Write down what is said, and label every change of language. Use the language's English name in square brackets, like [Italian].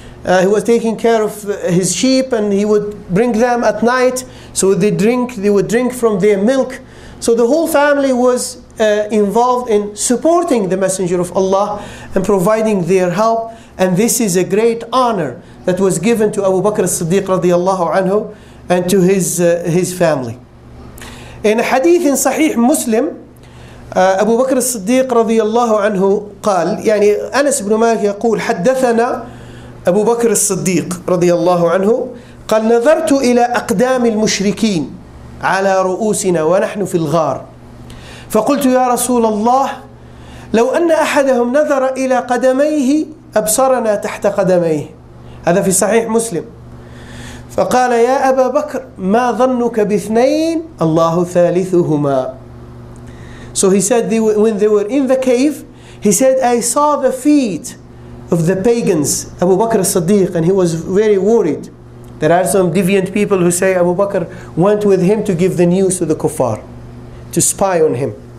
[English] He was taking care of his sheep, and he would bring them at night, so they would drink from their milk. So the whole family was involved in supporting the Messenger of Allah and providing their help. And this is a great honor that was given to Abu Bakr as-Siddiq radiyallahu anhu and to his family. [Arabic] In a hadith in Sahih Muslim, Abu Bakr as-Siddiq radiyallahu anhu قال, يعني Anas ibn Malik يقول, حدثنا أبو بكر الصديق رضي الله عنه قال نظرت إلى أقدام المشركين على رؤوسنا ونحن في الغار فقلت يا رسول الله لو أن أحدهم نظر إلى قدميه أبصرنا تحت قدميه. هذا في صحيح مسلم. فقال يا أبا بكر ما ظنك باثنين الله ثالثهما. [English] So he said when they were in the cave, he said, I saw the feet of the pagans, Abu Bakr as-Siddiq, and he was very worried. There are some deviant people who say Abu Bakr went with him to give the news to the kuffar, to spy on him.